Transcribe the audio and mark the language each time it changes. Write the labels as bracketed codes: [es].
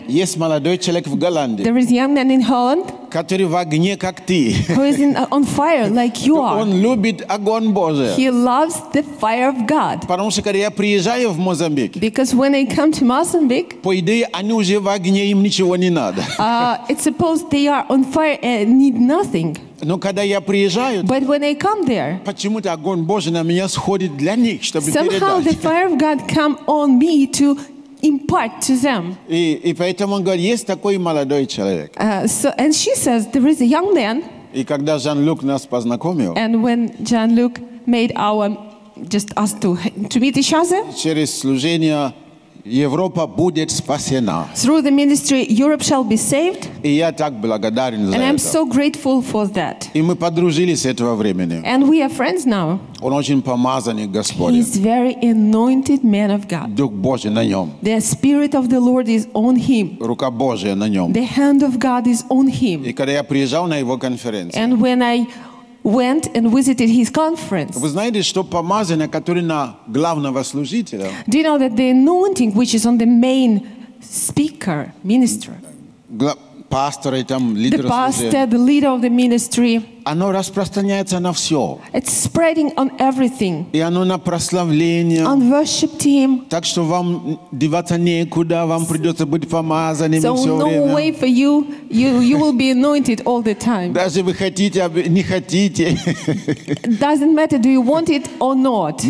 [ru] Есть молодой человек в Голландии. [en] There is a young man in Holland. [ru] Который в огне, как ты. [en] Who is on fire like you are. [ru] Он любит огонь Божий. [en] He loves the fire of God. [ru] Потому что когда я приезжаю в Мозамбик. [en] Because when I come to Mozambique. [ru] По идее, они уже в огне, им ничего не надо. [en] It's supposed they are on fire and need nothing. [ru] Но когда я приезжаю, [en] But when I come there, [ru] почему-то огонь Божий на меня сходит для них, чтобы [en] somehow [ru] передать. [en] Somehow the fire of God come on me to impart to them. [ru] И поэтому он говорит, есть такой молодой человек. [en] And she says, there is a young man. [ru] И когда Жан-Люк нас познакомил, [en] and when Jean-Luc made our, just us to meet each other, [ru] через служение Европа будет спасена. [en] Through the ministry, Europe shall be saved. [ru] И я так благодарен за это. [en] And I'm so grateful for that. [ru] И мы подружились с этого времени. [en] And we are friends now. [ru] Он очень помазанный Господь. [en] He's very anointed man of God. [ru] Дух Божий на нем. [en] The spirit of the Lord is on him. [ru] Рука Божия на нем. [en] The hand of God is on him. [ru] И когда я приезжал на его конференцию. [en] And when I went and visited his conference. [ru] Вы знаете, что помазание, которое на главного служителя? [en] Do you know that the anointing which is on the main speaker, minister? [ru] Пастор и там лидер [en] The pastor, the leader of the ministry. [ru] Оно распространяется на все. [en] It's spreading on everything. [ru] И оно на прославление. [en] On worship team. [ru] Так что вам деваться некуда, вам придется быть помазанными [en] so [ru] все [en] no [ru] время. [en] So no way for you, you will be anointed all the time. [ru] Даже вы хотите, не хотите. [en] Doesn't matter, do you want it or not.